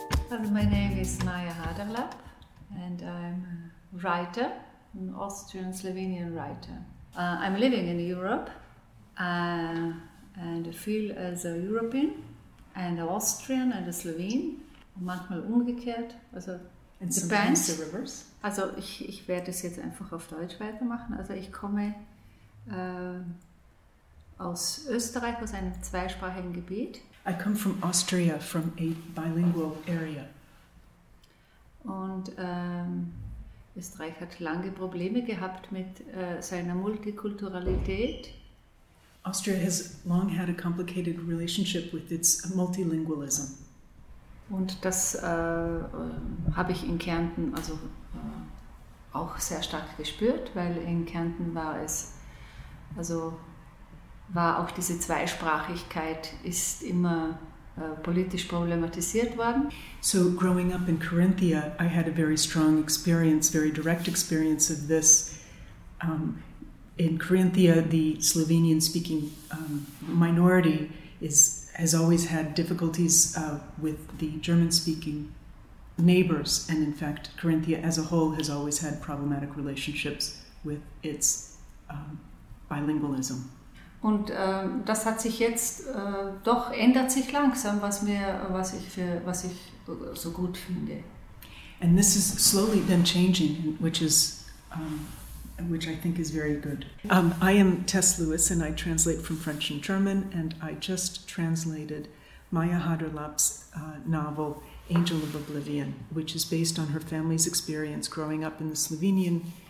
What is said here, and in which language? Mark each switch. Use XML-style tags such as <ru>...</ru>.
<en>Well, my name is Maja Haderlap, and I'm a writer. An Austrian-Slovenian writer. I'm living in Europe and I feel as a European and an Austrian and a Slovene.</en> <de>Manchmal umgekehrt. Also,</de> <en>and sometimes the reverse.</en> <de>Also, ich werde es jetzt einfach auf Deutsch weitermachen. Also, ich komme aus Österreich, aus einem zweisprachigen Gebiet.</de> <en>I come from Austria, from a bilingual area.</en> <de>Und Österreich hat lange Probleme gehabt mit seiner Multikulturalität.</de> <en>Austria has long had a complicated relationship with its multilingualism.</en> <de>Und das habe ich in Kärnten also auch sehr stark gespürt, weil in Kärnten war es, also war auch diese Zweisprachigkeit ist immer politisch problematisiert worden.</de> <en>So growing up in Carinthia, I had a very strong experience, very direct experience of this. In Carinthia, the Slovenian-speaking minority has always had difficulties with the German-speaking neighbors, and in fact, Carinthia as a whole has always had problematic relationships with its bilingualism.</en> <de>Und das hat sich jetzt doch ändert sich langsam, was ich so gut finde.</de> <en>And this is slowly then changing, which I think is very good. I am Tess Lewis, and I translate from French and German, and I just translated Maja Haderlap's novel Angel of Oblivion, which is based on her family's experience growing up in the Slovenian.</en>